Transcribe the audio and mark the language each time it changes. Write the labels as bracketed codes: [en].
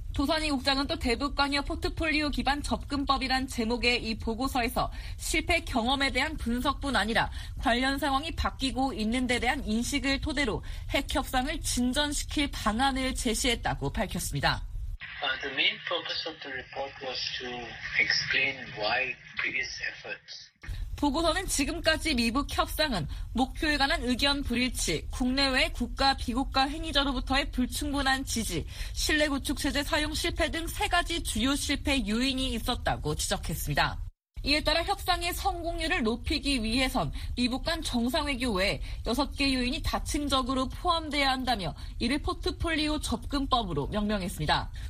[ko] 도산이 국장은 또 대북 관여 포트폴리오 기반 접근법이란 제목의 이 보고서에서 실패 경험에 대한 분석뿐 아니라 관련 상황이 바뀌고 있는 데 대한 인식을 토대로 핵 협상을 진전시킬 방안을 제시했다고 밝혔습니다. [en] The main purpose of the report was to explain why previous efforts. [ko] 보고서는 지금까지 미북 협상은 목표에 관한 의견 불일치, 국내외 국가, 비국가 행위자로부터의 불충분한 지지, 신뢰 구축 체제 사용 실패 등 세 가지 주요 실패 요인이 있었다고 지적했습니다. 이에 따라 협상의 성공률을 높이기 위해선 미북 간 정상외교 외에 여섯 개 요인이 다층적으로 포함돼야 한다며 이를 포트폴리오 접근법으로 명명했습니다.